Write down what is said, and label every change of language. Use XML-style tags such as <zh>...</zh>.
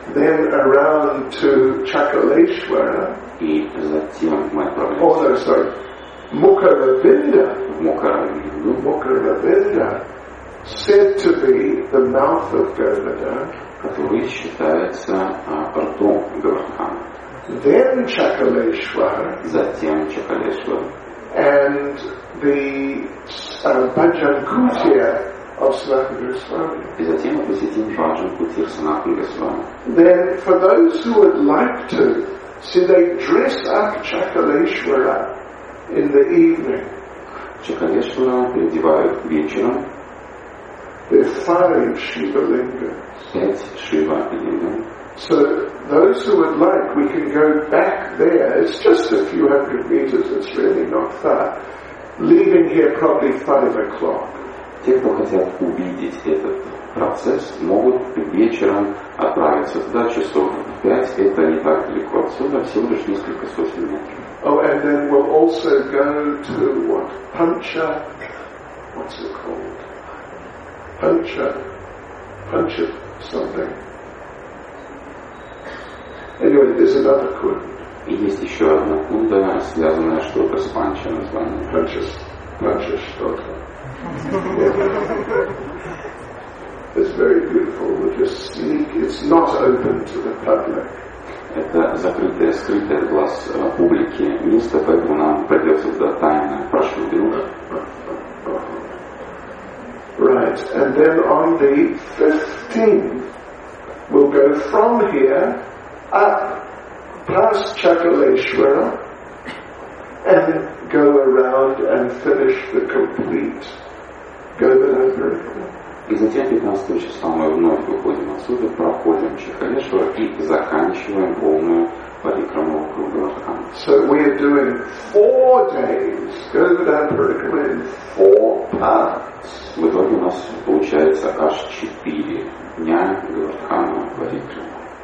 <en>Then around to Чакалешвара.</en> <ru>И затем мы отправимся.</ru> <en>Oh, no, sorry. Мукаравинда.</en> <ru>Мукаравинду. Мукаравинда.</ru> <en>Said to be the mouth of Говарда.</en> <ru>Который считается ртом Говардхана.</ru> <en>Then Чакалешвара.</en> <ru>Затем Чакалешвар.</ru> <en>And the Баджанкутия of Санатана Госвами.</en> <ru>И затем мы посетим Баджанкутир Санатана Госвами.</ru> <en>Then for those who would like to, see they dress up Чакалешвара in the evening.</en> <ru>Чакалешвара переодевают вечером.</ru> <en>They're five Шивалингас.</en> <ru>Пять Шивалингас.</ru> <en>So those who would like, we can go back there. It's just a few hundred meters. It's really not far. Leaving here probably 5 o'clock.</en> <ru>Те, кто хотят увидеть этот процесс, могут вечером отправиться туда часов в 5. Это не так далеко отсюда, всего лишь несколько сотен метров.</ru> <en>Oh, and then we'll also go to what? Pancha. What's it called? Pancha. Pancha something. Anyway, there's another kund.</en> <ru>И есть еще одна кунда, связанная что-то с панча названием. Панча что-то.</ru> <en>It's very beautiful. We just sneak. It's not open to the public.</en> <ru>Это закрытое, скрытое глаз публики место, поэтому нам придется туда тайно прошу друга.</ru> <en>Right. And then on the 15th, we'll go from here up past Чакалешвара and go around and finish the complete Говардхан Парикрама.</en> <ru>И затем 15 числа мы вновь выходим отсюда, проходим Чакалешвара и заканчиваем полную парикраму Говардхана.</ru> <en>So we are doing 4 days Говардхан Парикрама in 4 parts.</en> <ru>В итоге у нас получается аж 4 дня Говардхана Парикрама.</ru>